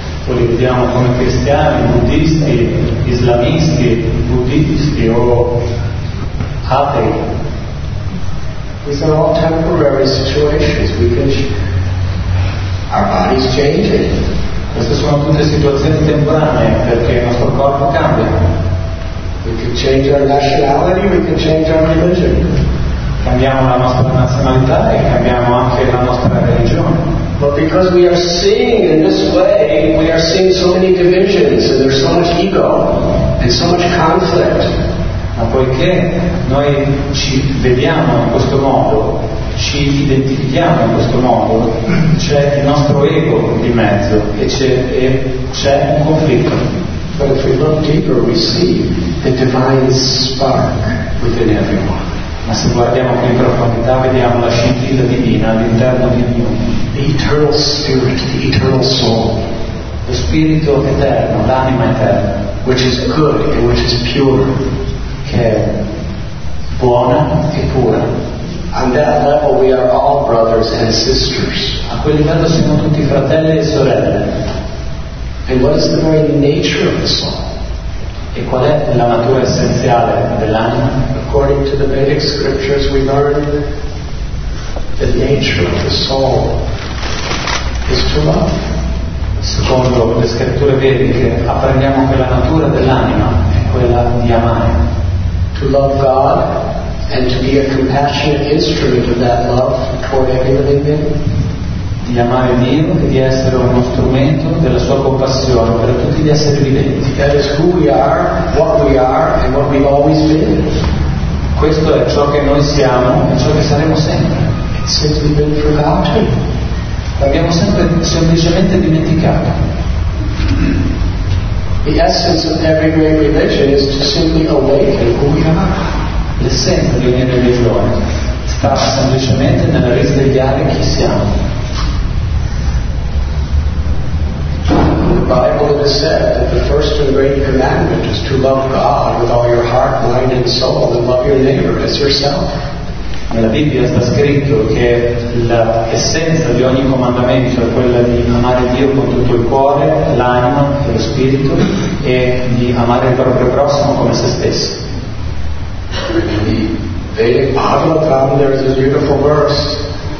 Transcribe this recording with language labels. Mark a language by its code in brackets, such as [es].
[it] O li vediamo come cristiani, buddhisti, islamisti, buddhisti o atei. [en] These are all temporary situations. We can our body's changing. [it] Queste sono tutte situazioni temporanee perché il nostro corpo cambia. [en] We can change our nationality, we can change our religion. [it] Cambiamo la nostra nazionalità e cambiamo anche la nostra religione. [en] But because we are seeing in this way, we are seeing so many divisions and there's so much ego and so much conflict. [it] Ma poiché noi ci vediamo in questo modo, ci identifichiamo in questo modo, c'è il nostro ego di mezzo e c'è un conflitto. [en] But if we look deeper, we see the divine spark within everyone. [it] Ma se guardiamo più in profondità, vediamo la scintilla divina all'interno di ognuno. [en] The eternal spirit, the eternal soul. [it] Lo spirito eterno, l'anima eterna. [en] Which is good and which is pure. [it] Che è buona e pura. [en] On that level we are all brothers and sisters. [it] A quel livello siamo tutti fratelli e sorelle. [en] And what is the very nature of the soul? [it] E qual è la natura essenziale dell'anima? [en] According to the Vedic scriptures, we learn the nature of the soul is to love. [it] Secondo le scritture vediche, apprendiamo che la natura dell'anima è quella di amare. [en] To love God and to be a compassionate instrument of that love toward every living being. [it] Di amare Dio e di essere uno strumento della sua compassione per tutti gli esseri viventi. [en] That is who we are, what we are, and what we've always been. [it] Questo è ciò che noi siamo e ciò che saremo sempre. [en] It's simply been forgotten. [it] L'abbiamo sempre semplicemente dimenticato. [en] The essence of every great religion is to simply awaken who we are. [it] L'essenza di ogni religione sta semplicemente nel risvegliare chi siamo. [en] The Bible has said that the first and great commandment is to love God with all your heart, mind, and soul, and love your neighbor as yourself. [it] Nella Bibbia sta scritto che l'essenza di ogni comandamento è quella di amare Dio con tutto il cuore, l'anima e lo spirito, e di amare il proprio prossimo come se stessi. [en] The Vedic Bhagavatam, there is a beautiful verse.